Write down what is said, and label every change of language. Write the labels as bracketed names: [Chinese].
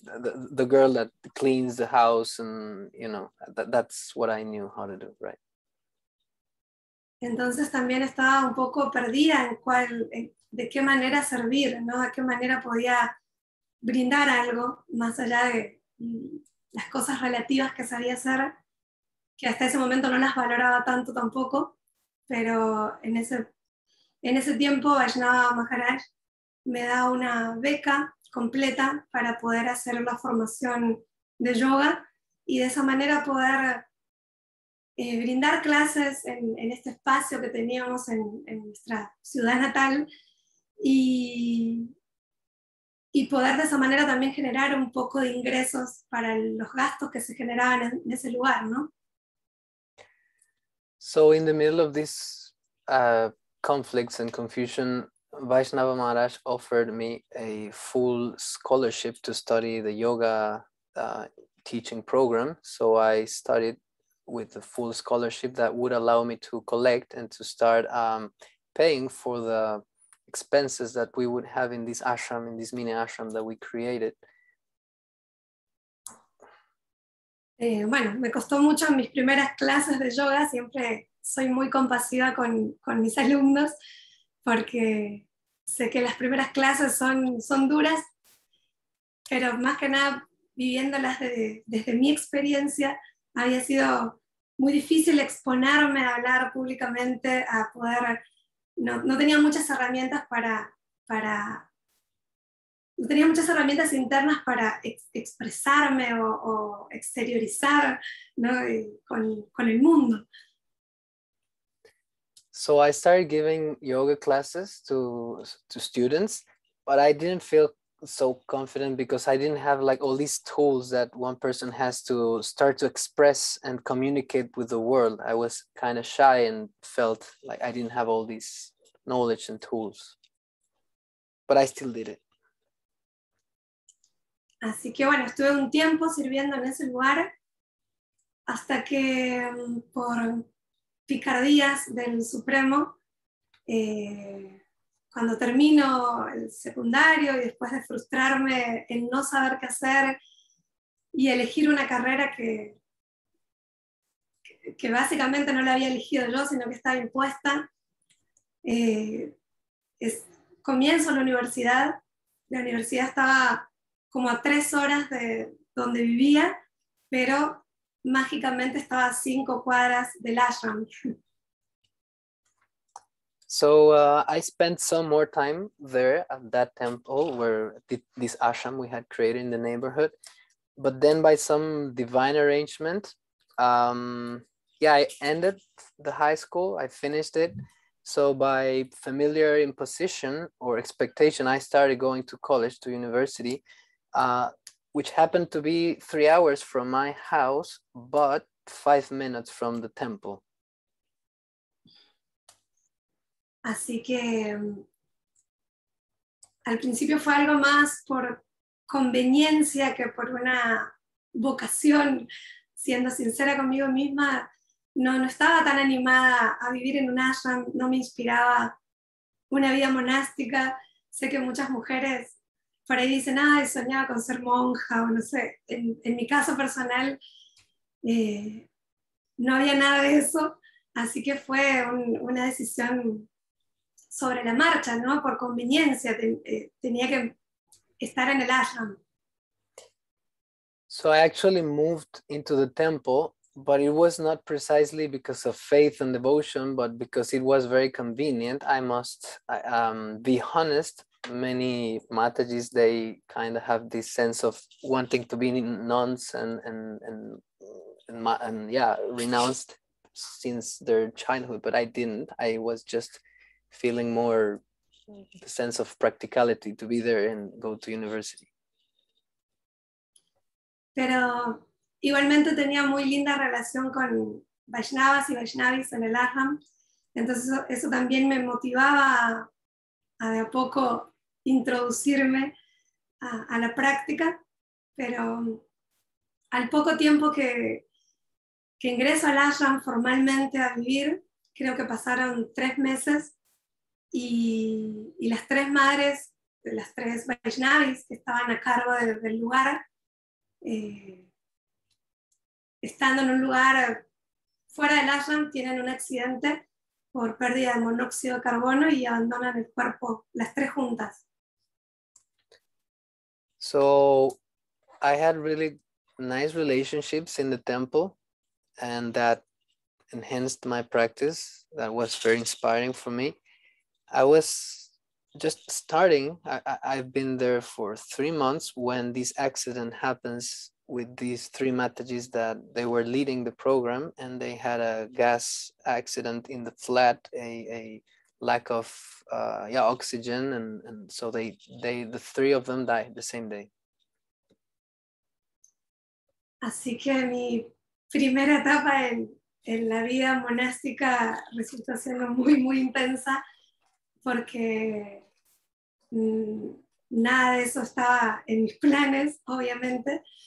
[English] The girl that cleans the house and, you know, that's what I knew how to do, right? [Spanish] Entonces también estaba un poco perdida de qué manera servir, ¿no? De qué manera podía brindar algo más allá de las cosas relativas que sabía hacer, que hasta ese momento no las valoraba tanto tampoco, pero en ese tiempo Vaishnava Maharaj me da una beca completa para poder hacer la formación de yoga y de esa manera poder brindar clases en este espacio que teníamos en nuestra ciudad natal y poder de esa manera también generar un poco de ingresos para los gastos que se generaban en ese lugar, ¿no? [English] So in the middle of these conflicts and confusion, Vaishnava Maharaj offered me a full scholarship to study the yoga teaching program. So I studied with the full scholarship that would allow me to collect and to start paying for the expenses that we would have in this ashram, in this mini ashram that we created. [Spanish] Bueno, me costó mucho mis primeras clases de yoga. Siempre soy muy compasiva con mis alumnos porque sé que las primeras clases son duras, pero más que nada viviéndolas desde mi experiencia, había sido muy difícil exponerme a hablar públicamente, a poder, no tenía muchas herramientas para no tenía muchas herramientas internas para expresarme o exteriorizar, ¿no? con el mundo. [English] So I started giving yoga classes to students, but I didn't feel so confident because I didn't have like all these tools that one person has to start to express and communicate with the world. I was kind of shy and felt like I didn't have all these knowledge and tools, but I still did it. [Spanish] Así que bueno, estuve un tiempo sirviendo en ese lugar hasta que por picardías del Supremo, cuando termino el secundario y después de frustrarme en no saber qué hacer y elegir una carrera que básicamente no la había elegido yo, sino que estaba impuesta, comienzo la universidad. La universidad estaba como a 3 horas de donde vivía, pero mágicamente estaba a 5 cuadras del ashram. [English] So I spent some more time there at that temple where this ashram we had created in the neighborhood. But then by some divine arrangement, I ended the high school. I finished it. So by familiar imposition or expectation, I started going to college, to university, which happened to be 3 hours from my house, but 5 minutes from the temple. [Spanish] Así que al principio fue algo más por conveniencia que por una vocación. Siendo sincera conmigo misma, no estaba tan animada a vivir en un ashram, no me inspiraba una vida monástica. Sé que muchas mujeres por ahí dicen, ah, soñaba con ser monja, o no sé, en mi caso personal no había nada de eso, así que fue una decisión sobre la marcha, ¿no? Por conveniencia, tenía que estar en el ashram. [English] So I actually moved into the temple, but it was not precisely because of faith and devotion, but because it was very convenient. I must be honest, many Matajis, they kind of have this sense of wanting to be nuns and renounced since their childhood, but I didn't. I was just feeling more the sense of practicality to be there and go to university. [Spanish] Pero igualmente tenía muy linda relación con Vaishnavas y Vaishnavis en el ashram. Entonces eso también me motivaba a de a poco introducirme a la práctica. Pero al poco tiempo que ingreso al ashram formalmente a vivir, creo que pasaron 3 meses, y las 3 madres, las 3 Vaishnavis que estaban a cargo del lugar, estando en un lugar fuera del ashram, tienen un accidente por pérdida de monóxido de carbono y abandonan el cuerpo, las 3 juntas. [English] So, I had really nice relationships in the temple, and that enhanced my practice. That was very inspiring for me. I was just starting. I've been there for 3 months when this accident happens with these 3 Matajis that they were leading the program, and they had a gas accident in the flat, a lack of oxygen, and so they the 3 of them died the same day. [Spanish] Así que mi primera etapa en la vida monástica resulta siendo muy muy intensa, porque nada de eso estaba en mis planes, obviamente.